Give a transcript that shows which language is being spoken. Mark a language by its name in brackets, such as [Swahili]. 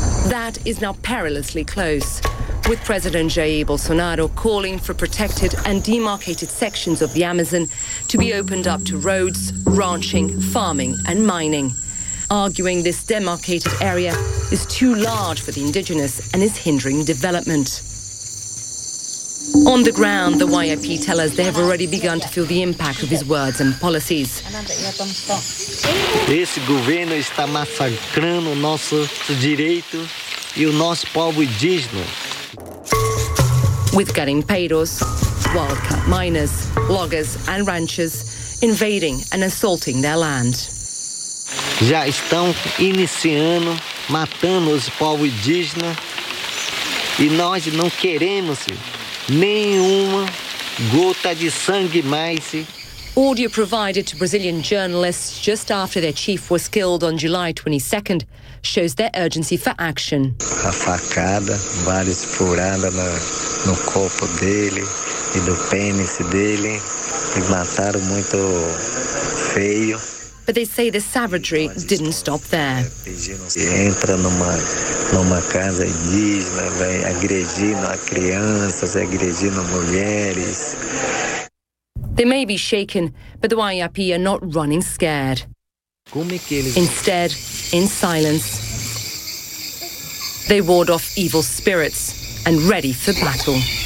[English] That is now perilously close, with President Jair Bolsonaro calling for protected and demarcated sections of the Amazon to be opened up to roads, ranching, farming, and mining, arguing this demarcated area is too large for the indigenous and is hindering development. On the ground, the YIP tell us they have already begun to feel the impact of his words and policies. [Portuguese] Esse governo está massacrando nossos direitos e o nosso povo indígena. [English] With getting paidos, wildcat miners, loggers and ranchers invading and assaulting their land. [Portuguese] Já estão iniciando, matando os povos indígenas e nós não queremos nenhuma gota de sangue mais. [English] Audio provided to Brazilian journalists just after their chief was killed on July 22nd shows their urgency for action. [Portuguese] A facada, várias furadas no corpo dele e no pênis dele, e mataram muito feio. [English] But they say the savagery didn't stop there. [Portuguese] Entra numa casa indígena, vai agredindo a crianças, agredindo mulheres. [English] They may be shaken, but the YIP are not running scared. Instead, in silence, they ward off evil spirits and ready for battle.